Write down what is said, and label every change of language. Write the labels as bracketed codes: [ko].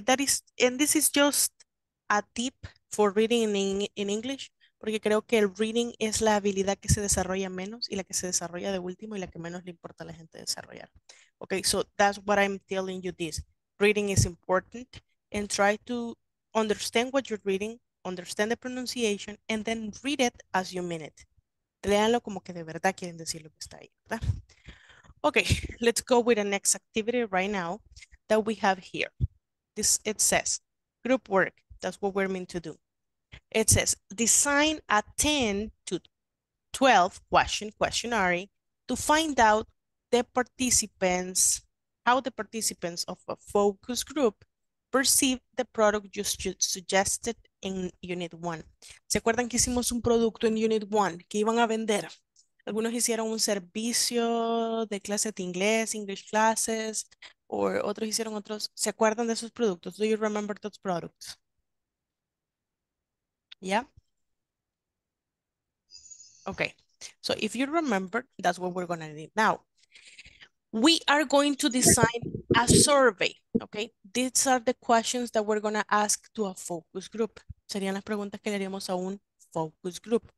[en] That is, and this is just a tip for reading in English, [es] porque creo que el reading es la habilidad que se desarrolla menos y la que se desarrolla de último y la que menos le importa a la gente desarrollar. [en] Okay, so that's what I'm telling you this. Reading is important, and try to understand what you're reading, understand the pronunciation, and then read it as you mean it. [es] Léanlo como que de verdad quieren decir lo que está ahí, ¿verdad? [en] Okay, let's go with the next activity right now that we have here. This, it says, group work. That's what we're meant to do. It says, design a 10 to 12 question questionnaire to find out the participants, how the participants of a focus group perceive the product you suggested in Unit 1. [es] ¿Se acuerdan que hicimos un producto en Unit 1 que iban a vender? Algunos hicieron un servicio de clases de inglés, [en] English classes, [es] o otros hicieron otros. ¿Se acuerdan de esos productos? [en] Do you remember those products? Yeah? Okay. So if you remember, that's what we're going to need. Now, we are going to design a survey. Okay? These are the questions that we're going to ask to a focus group. [es] Serían las preguntas que le haríamos a un focus group.